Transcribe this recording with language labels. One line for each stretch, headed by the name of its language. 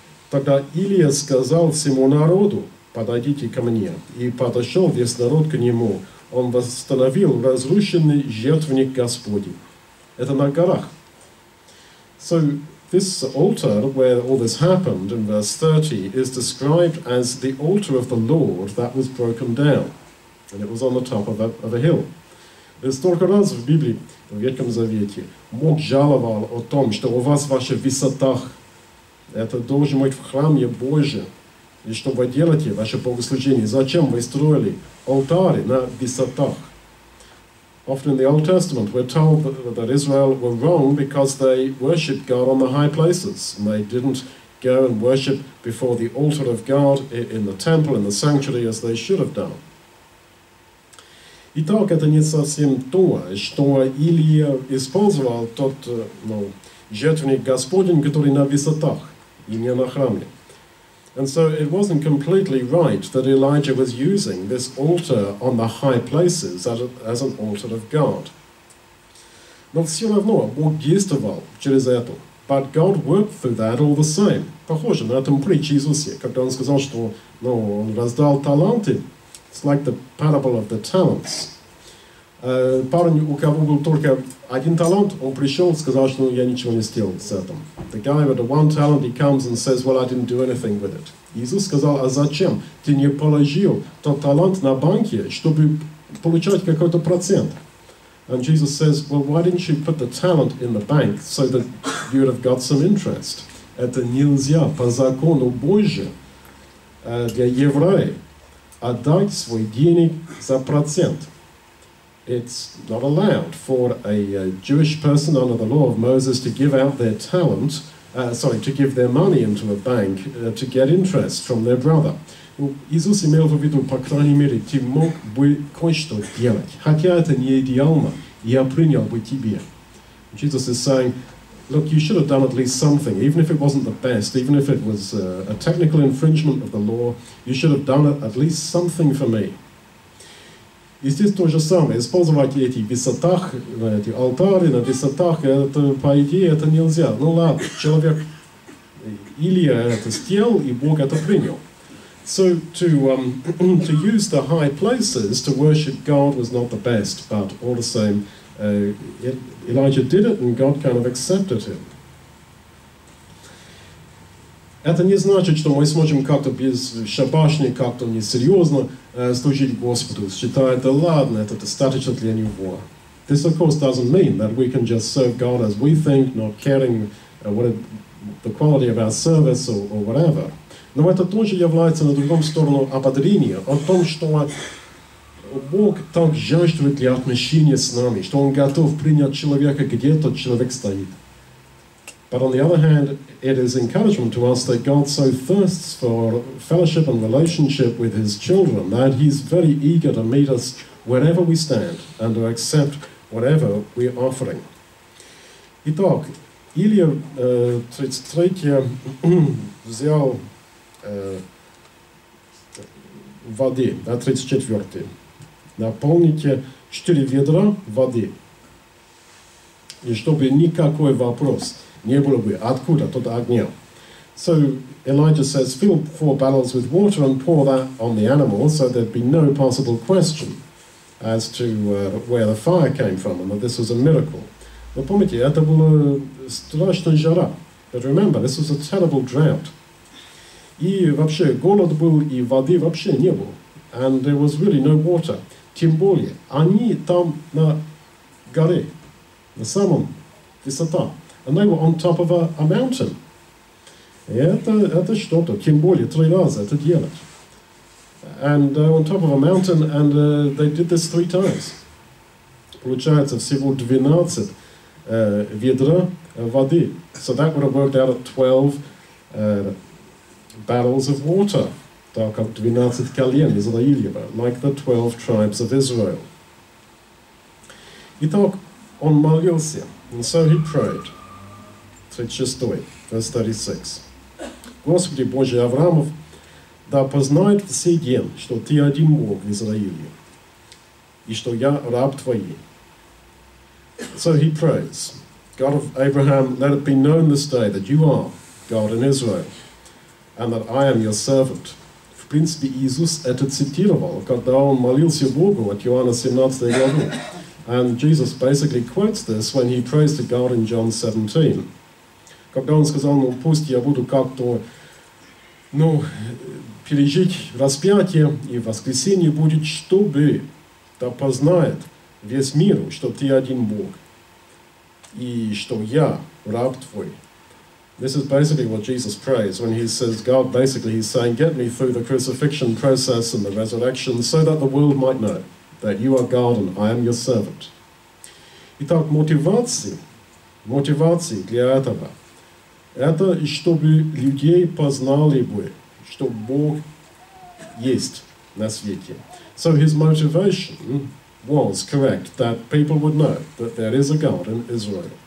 Russian: Тогда Илия сказал всему народу, подойдите ко мне. И подошел весь народ к нему. Он восстановил разрушенный жертвенник Господень. Это на горах.
English: So this altar where all this happened in verse 30 is described as the altar of the Lord that was broken down. And it was on the top of a hill.
Russian: И столько раз в Библии, в Ветхом Завете, Бог жаловал о том, что у вас ваши высотах, это должен быть в храме Божьем. И что вы делаете, ваше богослужение? Зачем вы строили алтари на высотах?
English: Often in the Old Testament, we're told that Israel were wrong because they worshipped God on the high places. And they didn't go and worship before the altar of God in the temple, in the sanctuary, as they should have done.
Russian: Итак, это не совсем то, что Илия использовал тот жертвенник Господень, который на высотах и не на храме.
English: And so it wasn't completely right that Elijah was using this altar on the high places as an altar of God.
Russian: Но все равно Бог действовал через это.
English: But God worked through that all the same.
Russian: Похоже на этом притче Иисусе, когда он сказал, что он раздал таланты.
English: It's like the parable of the talents.
Russian: Парень, у кого был только один талант, он пришел и сказал, что я ничего не сделал с этим.
English: The guy with the one talent, he comes and says, well, I didn't do anything with it.
Russian: Иисус сказал, а зачем? Ты не положил тот талант на банке, чтобы получать какой-то процент.
English: And Jesus says, well, why didn't you put the talent in the bank so that you would have got some interest?
Russian: Это нельзя по закону Божьему для евреев отдать свой денег за процент.
English: It's not allowed for a Jewish person under the law of Moses to give out their talent, to give their money into a bank to get interest from their brother.
Russian: Иисус имел в виду, по крайней мере, ты мог бы кое-что делать, хотя это не идеально, я принял бы тебе.
English: Jesus is saying, look, you should have done at least something, even if it wasn't the best, even if it was a technical infringement of the law, you should have done at least something for me.
Russian: И здесь то же самое. Использовать эти высотах, эти алтари на высотах, это, по идее, это нельзя. Ну ладно, человек Илия это сделал, и Бог это принял.
English: So to use the high places to worship God was not the best, but all the same, Elijah did it, and God kind of accepted him.
Russian: Это не значит, что мы сможем как-то без шабашни, как-то несерьезно служить Господу. Считает, да ладно, это достаточно для Него.
English: This, of course, doesn't mean that we can just serve God as we think, not caring the quality of our service or whatever.
Russian: Но это тоже является на другом сторону ободрения, о том, что Бог так жаждет для отношения с нами, что Он готов принять человека, где тот человек стоит.
English: But on the other hand, it is encouragement to us that God so thirsts for fellowship and relationship with His children that He's very eager to meet us wherever we stand and to accept whatever we're offering.
Russian: Итак, Илия 33 взял воды, 34, наполните 4 ведра воды. И чтобы никакой вопрос не было бы, откуда тот огня.
English: So Elijah says, fill 4 barrels with water and pour that on the animal, so there'd be no possible question as to where the fire came from, and that this was a miracle.
Russian: Но помните, это была страшная жара.
English: But remember, this was a terrible drought.
Russian: И вообще, голод был, и воды вообще не было.
English: And there was really no water.
Russian: Тем более, они там на горе, на самом высота.
English: And they were on top of a mountain.
Russian: И это что-то, тем более, 3 раза это делать.
English: And on top of a mountain, and they did this 3 times.
Russian: Получается, всего 12 ведра воды.
English: So that would have worked out at 12 barrels of water.
Russian: Так как 12 колен Израилева,
English: like the 12 tribes of Israel.
Russian: Итак, он молился,
English: and so he prayed. 36, verse 36.
Russian: Господи Божий Авраамов, да познает все ген, что ты один Бог в Израиле, и что я раб твой.
English: So he prays, God of Abraham, let it be known this day that you are God in Israel, and that I am your servant.
Russian: В принципе, Иисус это цитировал, когда он молился Богу от Иоанна 17 главы.
English: And Jesus basically quotes this when he prays to God in John 17.
Russian: Когда он сказал, ну пусть я буду как-то, ну, пережить распятие и воскресение будет, чтобы да познает весь мир, что ты один Бог и что я раб твой.
English: This is basically what Jesus prays when he says, God, basically he's saying, get me through the crucifixion process and the resurrection so that the world might know that you are God and I am your servant.
Russian: Итак, мотивация для этого, это чтобы людей познали бы, что Бог есть на свете.
English: So his motivation was correct, that people would know that there is a God in Israel.